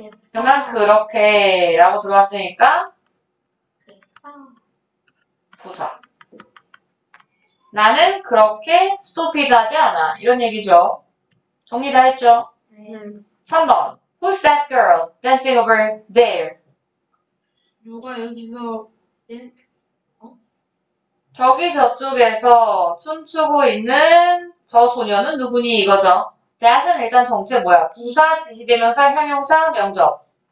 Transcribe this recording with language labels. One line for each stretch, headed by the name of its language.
Korean: 그러면 그렇게 라고 들어왔으니까 부사. 나는 그렇게 스토피드하지 않아. 이런 얘기죠. 정리 다 했죠? 3번.
English: Who's that girl dancing over there?
Korean: 누가 여기서 저기 저쪽에서 춤추고 있는 저 소녀는 누구니? 이거죠. That은 일단 정체 뭐야? 부사, 지시대명사, 형용사, 명접.